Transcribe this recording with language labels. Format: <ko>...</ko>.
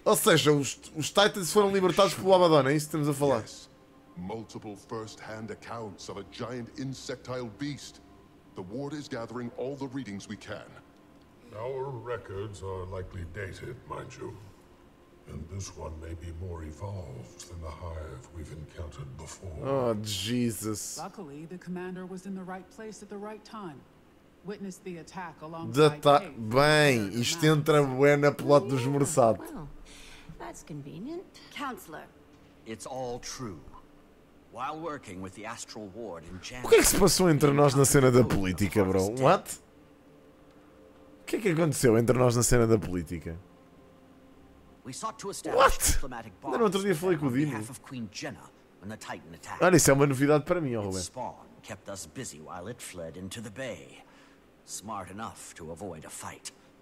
<pt>Ou seja, os Titans foram libertados pelo Abaddon, é isso que estamos a falar?</pt> <en>Yes. Multiple first-hand accounts of a giant insectile beast. The ward is gathering all the readings we can. Our records are likely dated, mind you. And this one may be more evolved than the hive we've encountered before. Oh, Jesus. Luckily, the commander was in the right place at the right time. Witness the attack alongside Dave.</en> <pt>Bem, isto entra bem na plot dos Mursad.</pt> <en>Well, that's convenient. Counselor. It's all true. While working with the Astral Ward in Janus...</en> <pt>O que é que se passou entre nós na cena da política, bro?</pt> <en>What?</en> <pt>O que é que aconteceu entre nós na cena da política?</pt> <en>We sought to establish diplomatic bonds.</en> <pt>No outro dia falei com o Dino.</pt> <en>Of Queen Jenna when the Titan attacked.</en> <pt>Olha, isso é uma novidade para mim, Robert.</pt> <en>Its spawn kept us busy while it fled into the bay, smart enough to avoid a fight.</en>